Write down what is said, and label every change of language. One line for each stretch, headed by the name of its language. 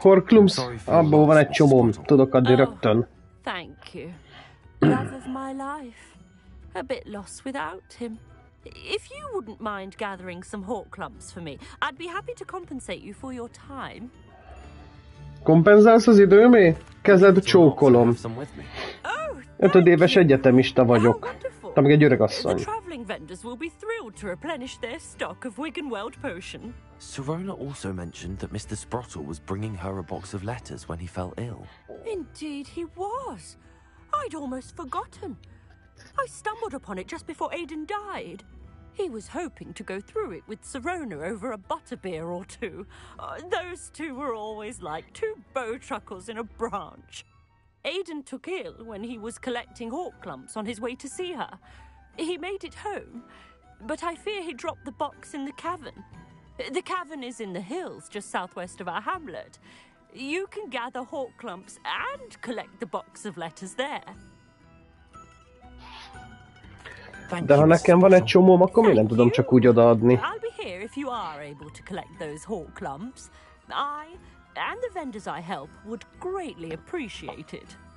Hungarian: Horklumps? Abból van egy csomó. Tudok addig rögtön.
English: Thank you. Love of my life. A bit lost without him. If you wouldn't mind gathering some horklumps for me, I'd be happy to compensate you for your time.
Hungarian: Kompenzálsz az időmé? Kezed csókolom. Ötöd éves egyetemista vagyok. Még egy öregasszony.
English: The traveling vendors will be thrilled to replenish their stock of Wiganweld potion. Serona also mentioned that Mr. Sprottle was bringing her a box of letters when he fell ill. Indeed he was. I'd almost forgotten. I stumbled upon it just before Aiden died. He was hoping to go through it with Serona over a butterbeer or two. Those two were always like two bow truckles in a branch. Aiden took ill when he was collecting hawk clumps on his way to see her. He made it home, but I fear he dropped the box in the cavern. The cavern is in the hills just southwest of our hamlet. You can gather hawk clumps and collect the box of letters there.
Hungarian: De ha nekem van egy csomóm, akkor miért nem tudom csak úgy odaadni?
English: I'll be here if you are able to collect those hawk clumps. I and the vendors I help would greatly appreciate it.